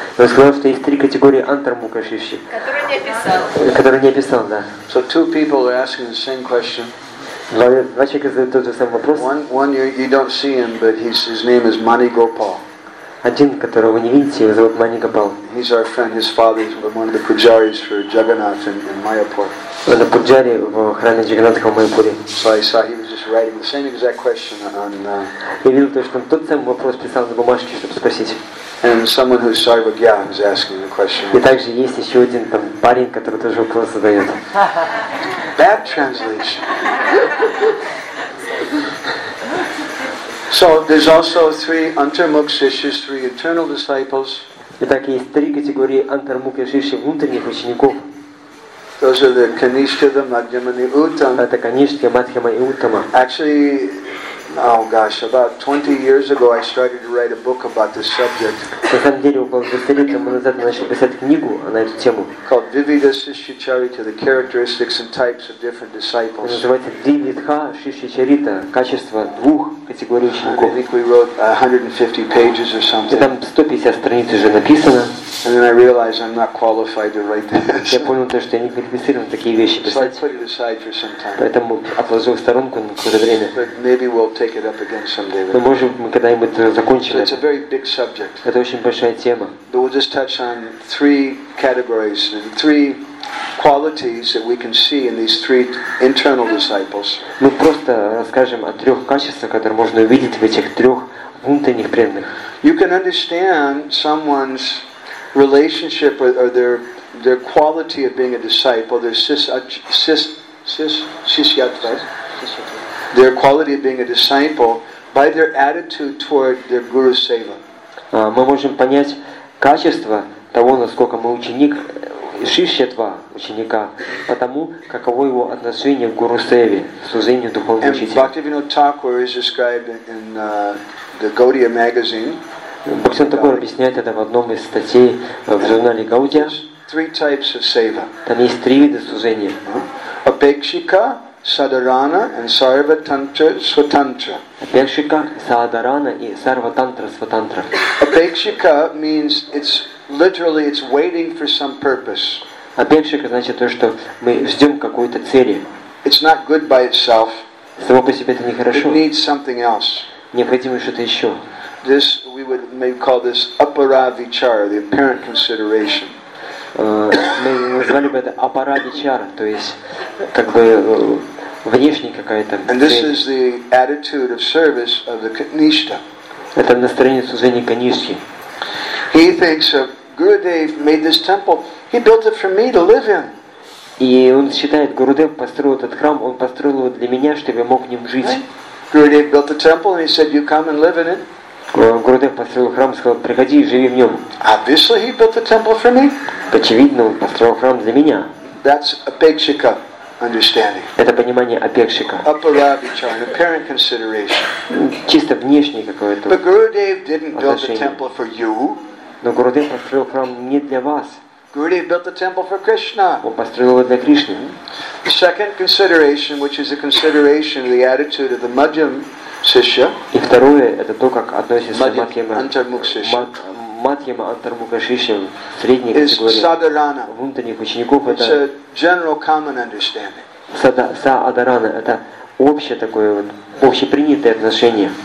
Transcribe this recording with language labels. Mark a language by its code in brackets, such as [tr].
[ru] Он сказал, что есть три категории Антар Мукашишча. Которые не описал. Которые не описал, да. [en] So [ru] два человека задают тот же самый вопрос. Один, которого вы не видите, его зовут Мани Гопал. [en] He's our friend, his father is one of the pujaris for Jagannath in Mayapur. [ru] Он пуджари в храме Джагнатха в Майпуре. [en] So I saw he was just writing the same exact question on. [ru] Я видел то, что он тот самый вопрос писал на бумажке, чтобы спросить. [en] And someone who's Sarvagya is asking the question. [ru] И также есть еще один там парень, который тоже вопрос задает. [en] Bad translation. So there's also three antarmukshishis, three eternal disciples. [ru] Итак, есть три категории антармукшиши внутренних учеников. [en] Those are the kanishka, the madhyama, the uttama. [ru] Это канишки, мадхьяма и уттама. [en] Actually, oh gosh, about 20 years ago, I started to write a book about this subject. [ru] На самом деле, около 20 лет назад начал писать книгу на эту тему. [en] Called Vividha Shishyacharita, the characteristics and types of different disciples. [ru] Называется Vividha Shishyacharita, качество двух категорий учеников. [en] I think we wrote 150 pages or something. [ru] И там 150 страниц уже написано. [en] And then I realized I'm not qualified to write this. [ru] Я понял то, что я не квалифицирован такие вещи писать. [en] So I put it aside for some time. [ru] Поэтому отложил в сторонку на какое-то время. [en] But maybe we'll take it up again someday. [ru] Но может мы когда-нибудь закончим это. [en] It's a very big subject. [ru] Это очень большая тема. [en] But we'll just touch on three categories, three qualities that we can see in these three internal disciples. [ru] Мы просто расскажем о трех качествах, которые можно увидеть в этих трех внутренних преданных. [en] You can understand someone's relationship or their quality of being a disciple, their sishyatva, their quality of being a disciple by their attitude toward their guru seva. [ru] Мы можем понять качество того, насколько мы ученик сишьятва ученика, потому каково его отношение к гуру севе, служению духовному учителю. [en] Bhaktivinoda Thakur is described in the Gaudiya magazine. [ru] Бхактивинода Тхакур объясняет это в одном из статей в журнале Гаудия. [en] Three types of seva. [ru] Там есть три вида служения. [sa] Апекшика, садарана и сарватантра сватантра. Апекшика, садарана и сарватантра сватантра. [en] Апекшика means it's literally it's waiting for some purpose. [ru] Апекшика значит то, что мы ждем какой-то цели. [en] It's not good by itself. [ru] Само по себе это не хорошо. [en] It needs something else. [ru] Необходимо что-то еще. [en] This we would maybe call this aparavichara, the apparent consideration. [ru] Мы назвали бы это аппаравичара, то есть как бы внешняя какая-то. [en] And this is the attitude of service of the kanishta. [ru] Это настроение служения канишки. [en] He thinks of Gurudev made this temple. He built it for me to live in. [ru] И он считает, Гурудев построил этот храм, он построил его для меня, чтобы я мог в нем жить. [en] Gurudev built the temple and he said, you come and live in it. [ru] Гурудев построил храм, сказал, приходи и живи в нем. [en] Obviously he built the temple for me. [ru] Очевидно, он построил храм для меня. [en] That's apekshika understanding. [ru] Это понимание апекшика. [en] Aparavichara, an apparent consideration. [ru] Чисто внешнее какое-то. [en] But Gurudev didn't build the temple for you. [ru] Но Гурудев построил храм не для вас. [en] Gurudev built the temple for Krishna. [ru] Он построил его для Кришны. [en] The second consideration, which is a consideration of the attitude of the Madhyam Shishya. [ru] И второе, это то, как относится к Мадхьяма Антармука Шишья, средней категории внутренних учеников. [en] It's [ru] это [en] a general common understanding. [ru] Саадарана, это общее такое вот, общепринятое отношение.